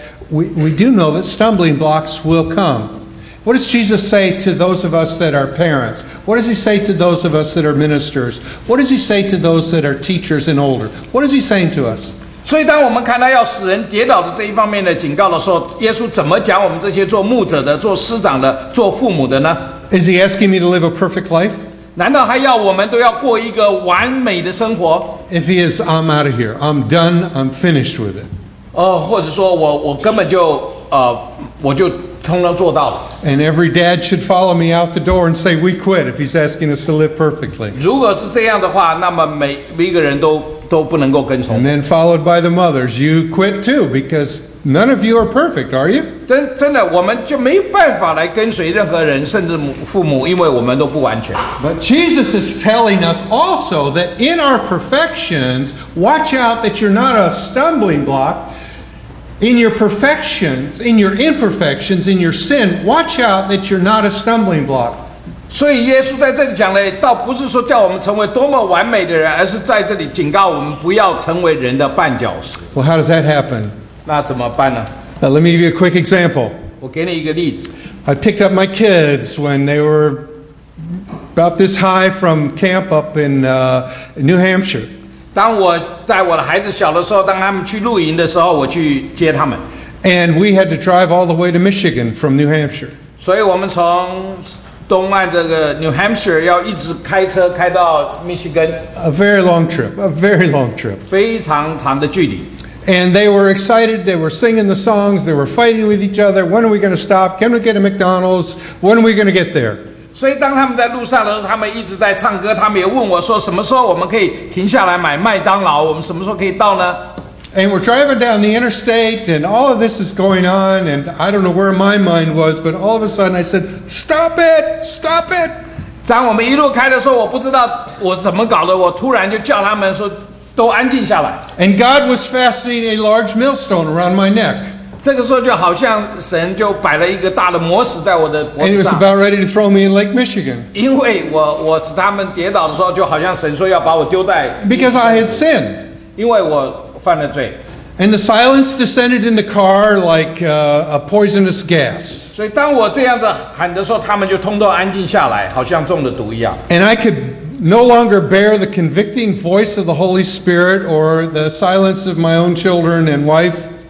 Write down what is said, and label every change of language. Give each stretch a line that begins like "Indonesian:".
English: We do know that stumbling blocks will come. What does Jesus say to those of us that are parents? What does he say to those of us that are ministers? What does he say to those that are teachers and older? What is he saying to us?
Chinese: 所以当我们看到要使人跌倒的这一方面的警告的时候，耶稣怎么讲我们这些做牧者的、做师长的、做父母的呢？
English: Is he asking me to live a perfect life?
Chinese: 难道还要我们都要过一个完美的生活？
English: If he is, I'm out of here. I'm done. I'm finished with it.
Chinese: 或者说我根本就我就
English: And every dad should follow me out the door and say, "We quit." If he's asking us to live perfectly.
Chinese: 如果是这样的话，那么每一个人都不能够跟从。
English: And then followed by the mothers, you quit too because none of you are perfect, are you?
Chinese: 真的，我们就没办法来跟随任何人，甚至父母，因为我们都不完全。
English: But Jesus is telling us also that in our perfections, watch out that you're not a stumbling block. In your perfections, in your imperfections, in your sin, watch out that you're not a stumbling block.
Chinese: 所以耶稣在这里讲的倒不是说叫我们成为多么完美的人，而是在这里警告我们不要成为人的绊脚石。
English: Well, how does that happen?
Chinese: 那怎么办呢？
English: Now, let me give you a quick example.
Chinese: 我给你一个例子。
English: I picked up my kids when they were about this high from camp up in New Hampshire.
Chinese: 当我带我的孩子小的时候，当他们去露营的时候，我去接他们。
English: And we had to drive all the way to Michigan from New Hampshire.
Chinese: 所以我们从东岸这个 New Hampshire 要一直开车开到 Michigan.
English: A very long trip. A very long trip.
Chinese: 非常长的距离。
English: And they were excited. They were singing the songs. They were fighting with each other. When are we going to stop? Can we get a McDonald's? When are we going to get there?
Chinese: 所以当他们在路上的时候，他们一直在唱歌。他们也问我说：“什么时候我们可以停下来买麦当劳？我们什么时候可以到呢？”
English: And we're driving down the interstate, and all of this is going on, and I don't know where my mind was, but all of a sudden I said, "Stop it! Stop it!"
Chinese: 当我们一路开的时候，我不知道我怎么搞的，我突然就叫他们说：“都安静下来。”
English: And God was fastening a large millstone around my neck.
Chinese: 这个时候就好像神就摆了一个大的磨石在我的脖子上。
English: And he was about ready to throw me in Lake Michigan.
Chinese: 因为我使他们跌倒的时候，就好像神说要把我丢在。
English: Because I had sinned.
Chinese: 因为我犯了罪。
English: And the silence descended in the car like a poisonous gas.
Chinese: 所以当我这样子喊的时候，他们就通通安静下来，好像中了毒一样。
English: And I could no longer bear the convicting voice of the Holy Spirit or the silence of my own children and wife.